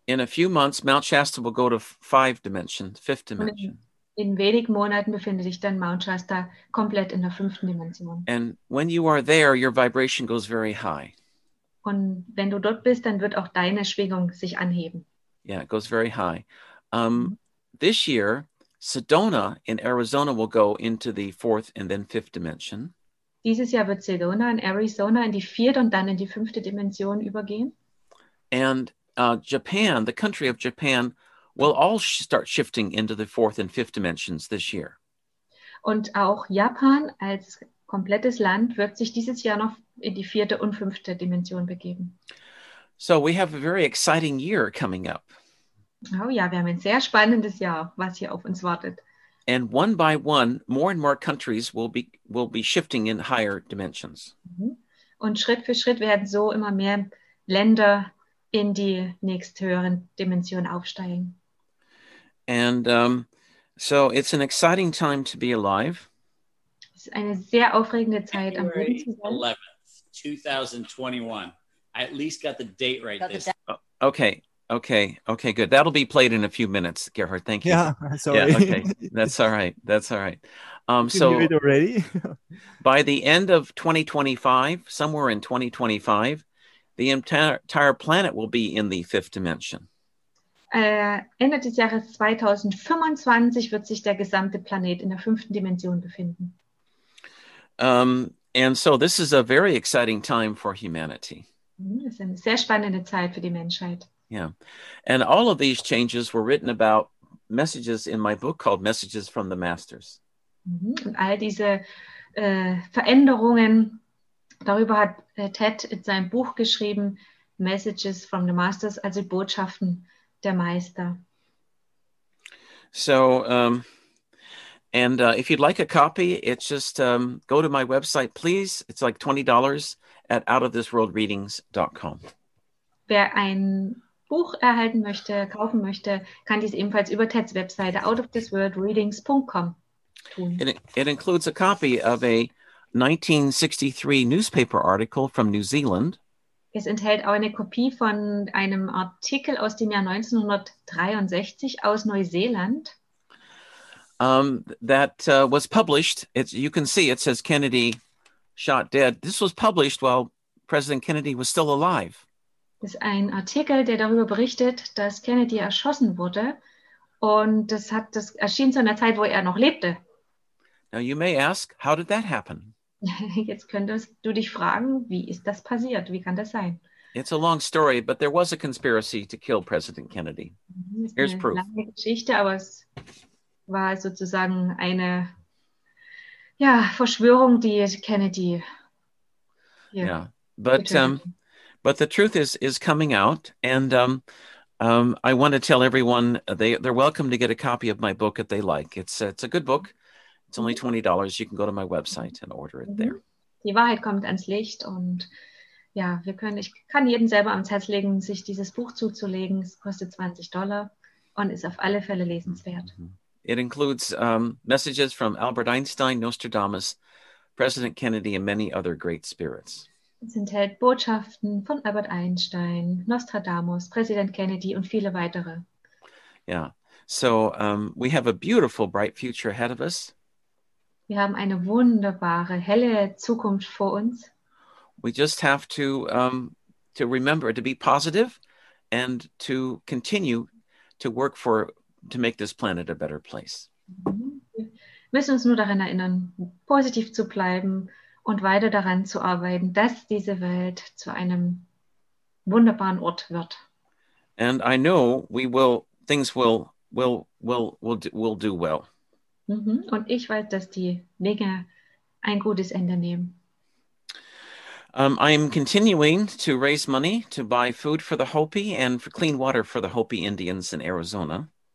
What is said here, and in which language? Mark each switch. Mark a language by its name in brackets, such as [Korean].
[English] In a few months, Mount Shasta will go to five dimension, fifth dimension. [German] In wenigen Monaten befindet sich dann Mount Shasta komplett in der fünften Dimension. [English] And when you are there, your vibration goes very high. [German] Und wenn du dort bist, dann wird auch deine Schwingung sich anheben. [English] Yeah, it goes very high. This year, Sedona in Arizona will go into the fourth and then fifth dimension. [German] Dieses Jahr wird Sedona in Arizona in die vierte und dann in die fünfte Dimension übergehen. [English] And Japan, the country of Japan, will all start shifting into the fourth and fifth dimensions this year. [German] Und auch Japan als komplettes Land wird sich dieses Jahr noch in die vierte und fünfte Dimension begeben. [English] So we have a very exciting year coming up. [German] Oh ja, wir haben ein sehr spannendes Jahr, was hier auf uns wartet. [English] And one by one, more and more countries will be shifting in higher dimensions. [German] Und Schritt für Schritt werden so immer mehr Länder in die nächsthöheren Dimensionen aufsteigen. [English] And so it's an exciting time to be alive. [German] Es ist eine sehr aufregende Zeit. [English] January 11th, 2021. I at least got the date right this time. Okay, good. That'll be played in a few minutes, Gerhard. Thank you. Yeah, sorry. Yeah, okay. That's all right. So you read already? By the end of 2025, somewhere in 2025, the entire planet will be in the fifth dimension. [German] Ende des Jahres 2025 wird sich der gesamte Planet in der fünften Dimension befinden. [English] And so this is a very exciting time for humanity. [German] Es ist eine sehr spannende Zeit für die Menschheit. [English] Yeah. And all of these changes were written about messages in my book called Messages from the Masters. [German] Und all diese Veränderungen, darüber hat Ted in seinem Buch geschrieben, Messages from the Masters, also Botschaften der Meister. [English] So, if you'd like a copy, it's just go to my website, please. It's like $20 at outofthisworldreadings.com. [German] Wer ein Buch erhalten möchte, kaufen möchte, kann dies ebenfalls über Teds Webseite outofthisworldreadings.com tun. [English] It includes a copy of a 1963 newspaper article from New Zealand. [German] Es enthält auch eine Kopie von einem Artikel aus dem Jahr 1963 aus Neuseeland. [English] That was published. You can see it says Kennedy shot dead. This was published while President Kennedy was still alive. [German] Das ist ein Artikel, der darüber berichtet, dass Kennedy erschossen wurde. Und das erschien zu einer Zeit, wo er noch lebte. [English] Now you may ask, how did that happen? [German] Jetzt könntest du dich fragen, wie ist das passiert? Wie kann das sein? [English] It's a long story, but there was a conspiracy to kill President Kennedy. Here's proof. [German] Lange Geschichte, aber es war sozusagen eine ja, Verschwörung, die Kennedy. [English] Yeah, but but the truth is coming out, and I want to tell everyone they're welcome to get a copy of my book if they like. It's a good book. It's only $20. You can go to my website and order it there. [German] Die Wahrheit kommt ans Licht, und ja, wir können, ich kann jedem selber ans Herz legen, sich dieses Buch zuzulegen. Es kostet $20 und ist auf alle Fälle lesenswert. [English] It includes messages from Albert Einstein, Nostradamus, President Kennedy and many other great spirits. [German] Es enthält Botschaften von Albert Einstein, Nostradamus, Präsident Kennedy und viele weitere. [English] Yeah, so we have a beautiful, bright future ahead of us. [German] Wir haben eine wunderbare, helle Zukunft vor uns. [English] We just have to remember to be positive and to continue to work for to make this planet a better place. [German] Wir müssen uns nur daran erinnern, positiv zu bleiben und weiter daran zu arbeiten, dass diese Welt zu einem wunderbaren Ort wird. [English] And I know we will, things will do well. [German] Und ich weiß, dass die Dinge ein gutes Ende nehmen. [English] I am continuing to raise money to buy food for the Hopi and for clean water for the Hopi Indians in Arizona.